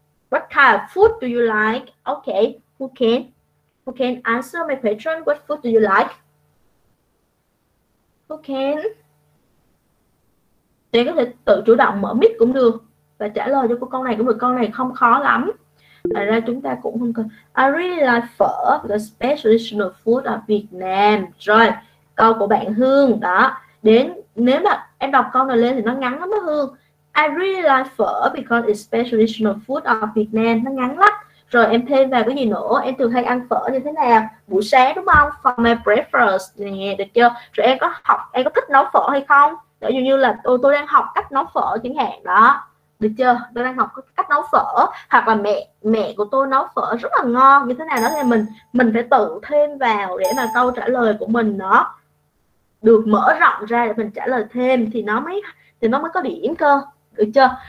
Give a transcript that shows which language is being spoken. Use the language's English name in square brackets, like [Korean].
[English] What kind of food do you like? Ok, who can answer my question? What food do you like? Who can? [Vietnamese] Để có thể tự chủ động mở mic cũng được và trả lời cho cô con này cũng được. Con này không khó lắm. Thật ra chúng ta cũng không cần. [English] I really like phở, the special traditional food of Vietnam. [Vietnamese] Rồi, câu của bạn Hương đó. Đến nếu mà em đọc câu này lên thì nó ngắn lắm đó Hương. [English] I really like phở because it's special traditional food of Vietnam. [Vietnamese] Nó ngắn lắm. Rồi em thêm vào cái gì nữa? Em thường hay ăn phở như thế nào? Buổi sáng đúng không? [English] For my breakfast [Vietnamese] nè, được chưa? Rồi em có học, em có thích nấu phở hay không? Ví dụ như là tôi đang học cách nấu phở chẳng hạn đó. Được chưa? Tôi đang học cách nấu phở, hoặc là mẹ của tôi nấu phở rất là ngon như thế nào đó, thì mình phải tự thêm vào để mà câu trả lời của mình nó được mở rộng ra để mình trả lời thêm thì nó mới có điểm cơ. Được chưa?